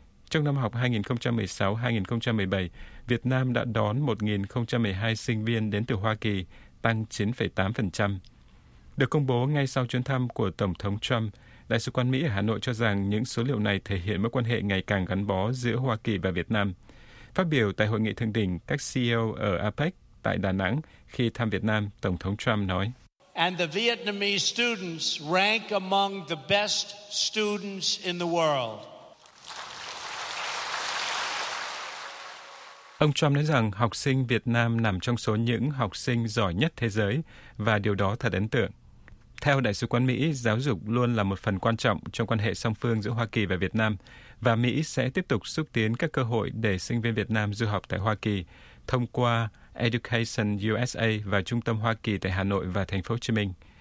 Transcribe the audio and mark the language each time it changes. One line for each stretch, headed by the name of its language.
Vietnamese: Trong năm học 2016-2017, Việt Nam đã đón 1.012 sinh viên đến từ Hoa Kỳ, tăng 9,8%. Được công bố ngay sau chuyến thăm của Tổng thống Trump, Đại sứ quán Mỹ ở Hà Nội cho rằng những số liệu này thể hiện mối quan hệ ngày càng gắn bó giữa Hoa Kỳ và Việt Nam. Phát biểu tại hội nghị thượng đỉnh các CEO ở APEC tại Đà Nẵng khi thăm Việt Nam, Tổng thống Trump nói:
English: "And the Vietnamese students rank among the best students in the world."
Vietnamese: Ông Trump nói rằng học sinh Việt Nam nằm trong số những học sinh giỏi nhất thế giới và điều đó thật ấn tượng. Theo Đại sứ quán Mỹ, giáo dục luôn là một phần quan trọng trong quan hệ song phương giữa Hoa Kỳ và Việt Nam và Mỹ sẽ tiếp tục xúc tiến các cơ hội để sinh viên Việt Nam du học tại Hoa Kỳ thông qua Education USA và Trung tâm Hoa Kỳ tại Hà Nội và Thành phố Hồ Chí Minh.